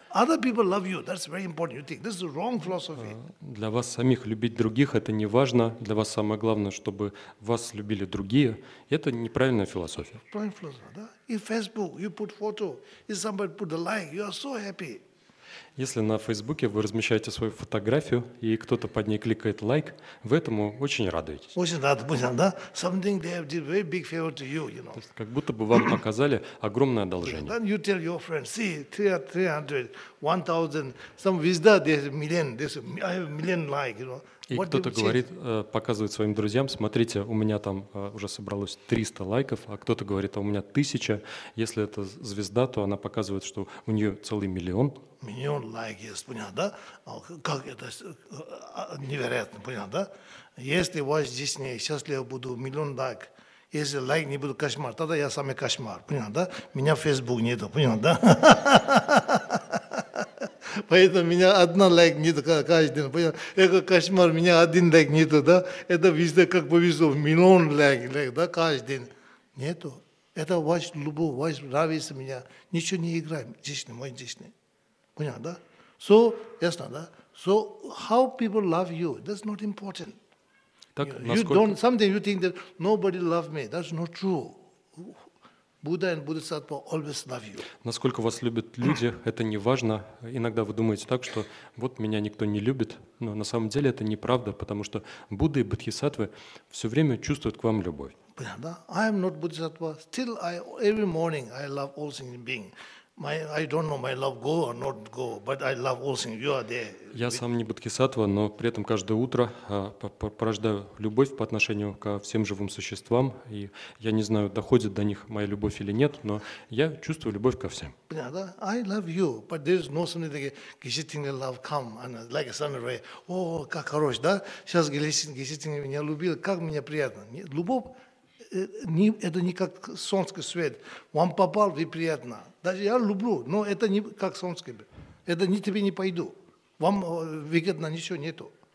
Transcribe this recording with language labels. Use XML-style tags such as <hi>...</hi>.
<en>Other people love you, that's very important. You think this is the wrong philosophy.</en> <ru>Для вас самих любить других – это не важно. Для вас самое главное, чтобы вас любили другие. Это неправильная философия. Правильная философия, да?</ru> <en>In Facebook you put photo, if somebody put a like, you are so happy.</en> <ru>Если на Фейсбуке вы размещаете свою фотографию, и кто-то под ней кликает лайк, вы этому очень радуетесь. Очень рад, понял, да?</ru> <en>Something they have did very big favor to you, you know.</en> <ru>То есть, как будто бы вам показали огромное одолжение.</ru> <en>Then you tell your friends, see, 300, 1000, some visitor, there's a million, I have a million like, you know.</en> <ru>И кто-то говорит, показывает своим друзьям, смотрите, у меня там уже собралось 300 лайков, а кто-то говорит, а у меня 1000. Если это звезда, то она показывает, что у нее целый миллион. Миллион лайков, понятно, да? Как это невероятно, понятно, да? Если у вас здесь нет, сейчас я буду миллион лайков. Если лайк не буду, кошмар, тогда я самый кошмар, понятно, да? Меня в Facebook нету, понятно, да? Поэтому меня одна лайк нету каждый день, понятно? Это кошмар, меня один лайк нету, да? Это везде как повезло, миллион лайк, да, каждый день. Нету. Это ваш любовь, ваш нравится меня. Ничего не играем, здесь не мой, здесь не. Понятно, да? So, ясно, да?</ru> <en>So, how people love you, that's not important.</en> <ru>Так,</ru> <en>you don't. Sometimes you think that nobody loves me. That's not true. Buddha and Bodhisattva always love you.</en> <ru>Насколько вас любят люди, это не важно. Иногда вы думаете так, что вот меня никто не любит, но на самом деле это неправда, потому что Будда и Бодхисаттвы все время чувствуют к вам любовь.</ru> <en>I am not Bodhisattva. Still, I every morning I love all sentient beings. I don't know my love go or not go, but I love all things. You are there.</en> <ru>Я сам не бодхисаттва, но при этом каждое утро порождаю любовь по отношению ко всем живым существам, и я не знаю, доходит до них моя любовь или нет, но я чувствую любовь ко всем. Понятно?</ru> <en>I love you, but there is no something like getting love come and like a sun ray.</en> <ru>О, как хорош, да? Сейчас Гесетинга меня любил, как мне приятно. Любовь. Это не как солнце свет. Вам попал, вы приятно. Даже я люблю, но это не как солнце. Это не тебе не пойду. Вам выгодно ничего нету.</ru>